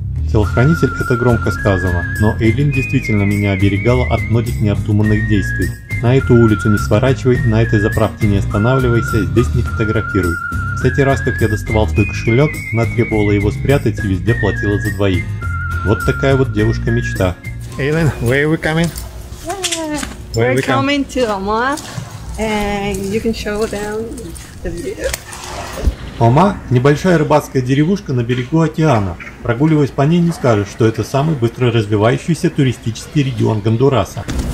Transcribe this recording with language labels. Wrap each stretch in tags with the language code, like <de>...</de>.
<ru>Телохранитель – это громко сказано, но Эйлин действительно меня оберегала от многих необдуманных действий. На эту улицу не сворачивай, на этой заправке не останавливайся, здесь не фотографируй. Кстати, раз как я доставал свой кошелек, она требовала его спрятать и везде платила за двоих. Вот такая вот девушка мечта.</ru> <en>Эйлин, where are we coming? Yeah. Where are we coming to Omaha, and you can show them the view.</en> <ru>Ома – небольшая рыбацкая деревушка на берегу океана. Прогуливаясь по ней, не скажешь, что это самый быстро развивающийся туристический регион Гондураса.</ru>